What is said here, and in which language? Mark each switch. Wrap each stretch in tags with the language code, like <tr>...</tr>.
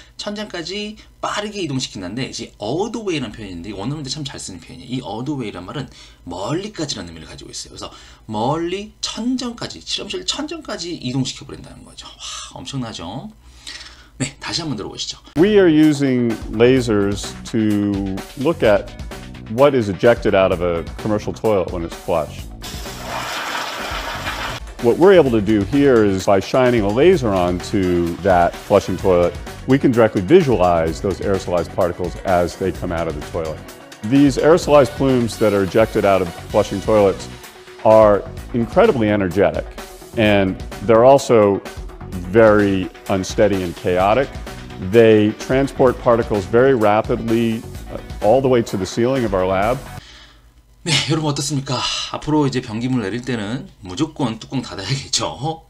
<ko>천장까지 빠르게 이동시킨다는데 이제</ko> <en>all the way</en> <ko>라는 표현인데 원어민들 참 잘 쓰는 표현이에요. 이 all the way란 말은 멀리까지라는 의미를 가지고 있어요. 그래서 멀리 천장까지 실험실 천장까지 이동시켜 버린다는 거죠. 와, 엄청나죠? 네, 다시 한번 들어보시죠.</ko> <en>We are using lasers to look at what is ejected out of a commercial toilet when it's flushed. What we're able to do here is by shining a laser onto that flushing toilet, we can directly visualize those aerosolized particles as they come out of the toilet. These aerosolized plumes that are ejected out of flushing toilets are incredibly energetic, and they're also very unsteady and chaotic. They transport particles very rapidly all the way to the ceiling of our lab.</en> <ko>네, 여러분 어떻습니까? 앞으로 이제 변기물 내릴 때는 무조건 뚜껑 닫아야겠죠?</ko>